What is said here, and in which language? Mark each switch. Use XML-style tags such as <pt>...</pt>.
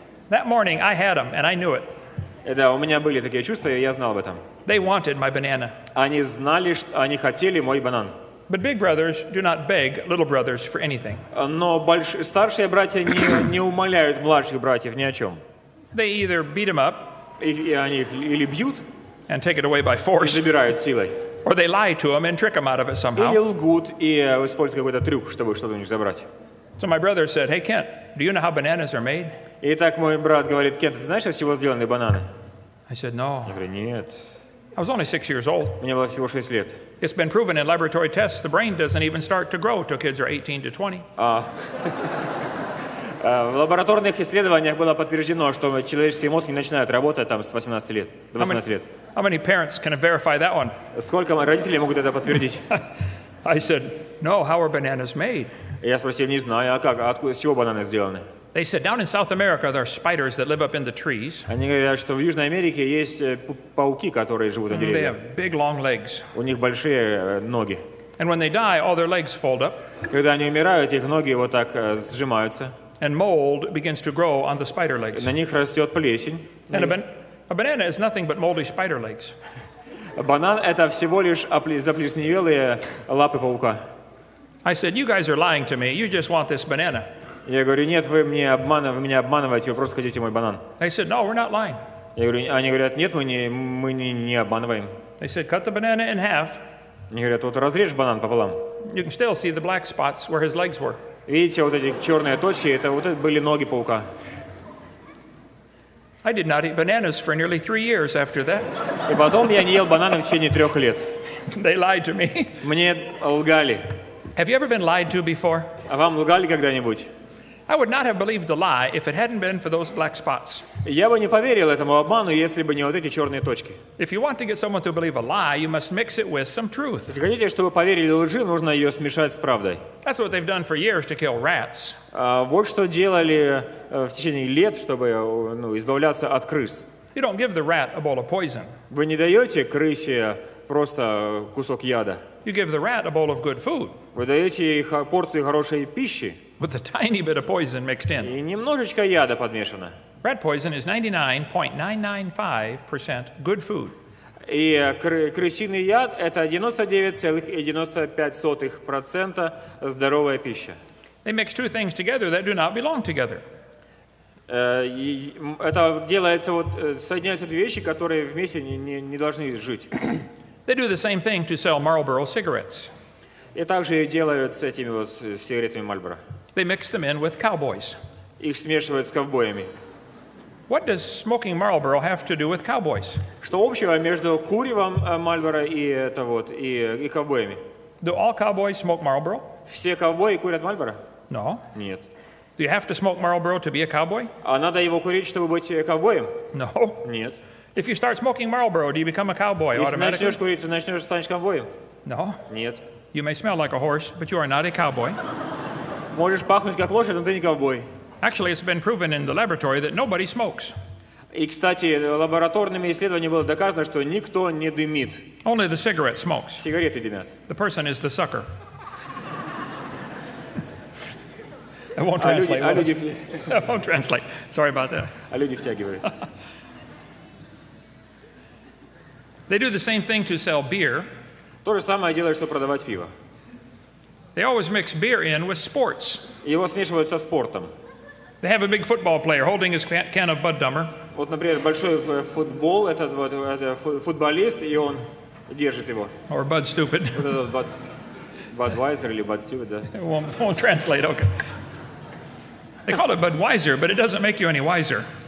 <en>That morning I had them and I knew it.</en> <ru>Да, у меня были такие чувства, и я знал об этом.</ru> <en>They wanted my banana.</en> <ru>Они знали, что они хотели мой банан.</ru> <en>But big brothers do not beg little brothers for anything.</en> <ru>Но старшие братья не умоляют младших братьев ни о чем.</ru> <en>They either beat them up.</en> <ru>И они их или бьют.</ru> <en>And take it away by force.</en> <ru>И забирают силой.</ru> <en>Or they lie to him and trick him out of it somehow.</en> <ru>Или лгут и используют какой-то трюк, чтобы что-то у них забрать.</ru> <en>So my brother said, "Hey Kent, do you know how bananas are made?"</en> <ru>И так мой брат говорит, Кент, ты знаешь, из чего сделаны бананы?</ru> <en>I said, "No."</en> <ru>Я говорю, нет.</ru> <en>I was only 6 years old.</en> <ru>Мне было всего 6 лет.</ru> <en>It's been proven in laboratory tests the brain doesn't even start to grow till kids are 18 to 20.</en> <ru>В лабораторных исследованиях было подтверждено, что человеческий мозг не начинает работать там с 18 лет.</ru> <en>How many parents can verify that one?</en> <ru>Сколько родителей могут это подтвердить?</ru> <en>I said, "No, how are bananas made?"</en> <ru>Я спросил, не знаю, а как, откуда, с чего бананы сделаны?</ru> <en>They said, "Down in South America there are spiders that live up in the trees."</en> <ru>Они говорят, что в Южной Америке есть пауки, которые живут на деревьях.</ru> <en>They have big long legs.</en> <ru>У них большие ноги.</ru> <en>And when they die, all their legs fold up.</en> <ru>Когда они умирают, их ноги вот так сжимаются.</ru> <en>And mold begins to grow on the spider legs.</en> <ru>На них растет плесень.</ru> <en>And a banana is nothing but moldy spider legs.</en> <ru>Банан это всего лишь заплесневелые лапы паука.</ru> <en>I said, "You guys are lying to me. You just want this banana."</en> <ru>Я говорю, нет, вы меня обманываете, вы просто хотите мой банан.</ru> <en>They said, "No, we're not lying."</en> <ru>Я говорю, они говорят, нет, мы не обманываем.</ru> <en>They said, "Cut the banana in half."</en> <ru>Они говорят, вот разрежь банан пополам.</ru> <en>You can still see the black spots where his legs were.</en> <ru>Видите, вот эти черные точки, это вот это были ноги паука.</ru> <en>I did not eat bananas for nearly 3 years after that.</en> <ru>И потом я не ел бананы в течение 3 лет.</ru> <en>They lied to me.</en> <ru>Мне лгали.</ru> <en>Have you ever been lied to before?</en> <ru>А вам лгали когда-нибудь?</ru> <en>I would not have believed the lie if it hadn't been for those black spots.</en> <ru>Я бы не поверил этому обману, если бы не вот эти черные точки.</ru> <en>If you want to get someone to believe a lie, you must mix it with some truth.</en> <ru>Если хотите, чтобы поверили лжи, нужно ее смешать с правдой.</ru> <en>That's what they've done for years to kill rats.</en> <ru>Вот что делали в течение лет, чтобы избавляться от крыс.</ru> <en>You don't give the rat a bowl of poison.</en> <ru>Вы не даете крысе просто кусок яда.</ru> <en>You give the rat a bowl of good food.</en> <ru>Вы даете ей порцию хорошей пищи.</ru> <en>With a tiny bit of poison mixed in.</en> <ru>И немножечко яда подмешано.</ru> <en>Rat poison is 99.995% good food.</en> <ru>И крысиный яд это 99.95% здоровая пища.</ru> <en>They mix two things together that do not belong together.</en> <ru>Это делается вот соединяются две вещи, которые вместе не должны жить.</ru> <en>They do the same thing to sell Marlboro cigarettes.</en> <ru>И также делают с этими вот сигаретами Marlboro.</ru> <en>They mix them in with cowboys.</en> <ru>Их смешивают с ковбоями.</ru> <en>What does smoking Marlboro have to do with cowboys?</en> <ru>Что общего между куревом Marlboro и это вот и ковбоями?</ru> <en>Do all cowboys smoke Marlboro?</en> <ru>Все ковбои курят Marlboro?</ru> <en>No.</en> <ru>Нет.</ru> <en>Do you have to smoke Marlboro to be a cowboy?</en> <ru>А надо его курить, чтобы быть ковбоем?</ru> <en>No.</en> <ru>Нет.</ru> <en>If you start smoking Marlboro, do you become a cowboy automatically?</en> <ru>Если начнешь курить, начнешь станешь ковбоем?</ru> <en>No.</en> <ru>Нет.</ru> <en>You may smell like a horse, but you are not a cowboy.</en> <ru>Можешь пахнуть как лошадь, но ты не ковбой.</ru> <en>Actually, it's been proven in the laboratory that nobody smokes.</en> <ru>И, кстати, лабораторными исследованиями было доказано, что никто не дымит.</ru> <en>Only the cigarette smokes.</en> <ru>Сигареты дымят.</ru> <en>The person is the sucker. I won't translate. I won't translate. Sorry about that.</en> <ru>А люди втягивают.</ru> <en>They do the same thing to sell beer.</en> <ru>То же самое делают, что продавать пиво.</ru> <en>They always mix beer in with sports.</en> <ru>Его смешивают со спортом.</ru> <en>They have a big football player holding his can of Bud Dummer.</en> <ru>Вот, например, большой футбол, этот футболист, и он держит его.</ru> <en>Or Bud Stupid.</en> <ru>Вот этот Bud Budweiser или Budsuda.</ru> <en>Won't translate, okay. They call it Budweiser, but it doesn't make you any wiser.</en>